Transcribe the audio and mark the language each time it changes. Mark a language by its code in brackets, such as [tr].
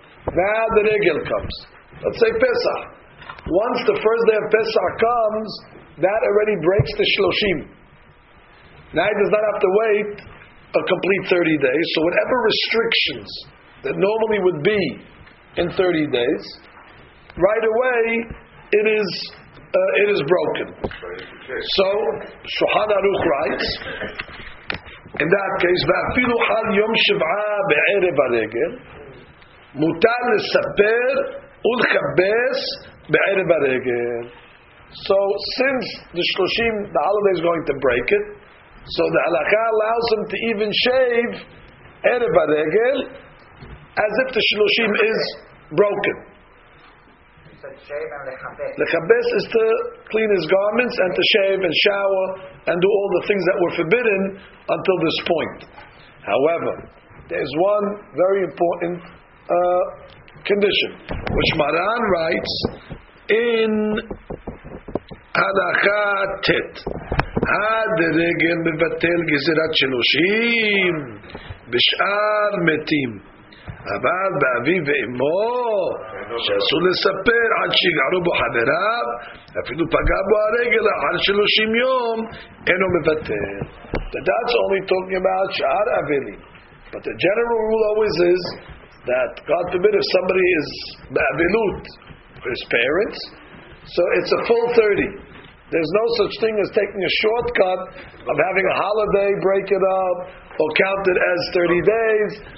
[en] Now the regel comes. Let's say Pesach. Once the first day of Pesach comes, that already breaks the Shloshim. Now he does not have to wait a complete 30 days. So whatever restrictions that normally would be in 30 days, right away it is broken. [he] So Shulchan Aruch writes, in that case, ואפילו חל יום שבעה בערב הרגל, מותר לספר ולכבס בערב הרגל. [en] So since the 30, the holiday is going to break it, so the halakha allows him to even shave ערב הרגל, as if the 30 is broken. Lechabes is to clean his garments and to shave and shower and do all the things that were forbidden until this point. However, there is one very important condition, which Maran writes in Halakha Tet. [he] Ha-deregel mevatel gezerat shloshim b'shar metim. אבל באבי ואמו שעשו לספר עד שיגערו בו חבריו אפילו פגע בו הרגל אחר 30 יום אינו מבטל. [en] That's only talking about שאר אבלים, but the general rule always is that God forbid if somebody is באבלות for his parents, so it's a full 30. There's no such thing as taking a shortcut of having a holiday, break it up, or count it as 30 days.